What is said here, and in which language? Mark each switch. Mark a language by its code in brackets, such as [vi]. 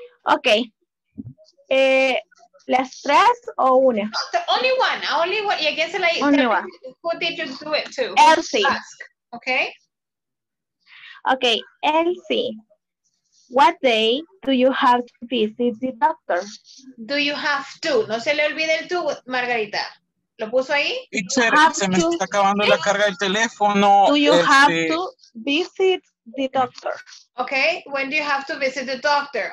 [en] Okay. [es] Las tres o una? [en] The only one. Only one. I guess like only one. Who did you do it to? Elsie. Okay. Okay, Elsie. What day do you have to visit the doctor? Do you have to? No se le olvide el tú, Margarita. ¿Lo puso ahí? [es] Teacher, se me está acabando la carga del teléfono. [en] Do you have to visit the doctor? Okay, when do you have to visit the doctor?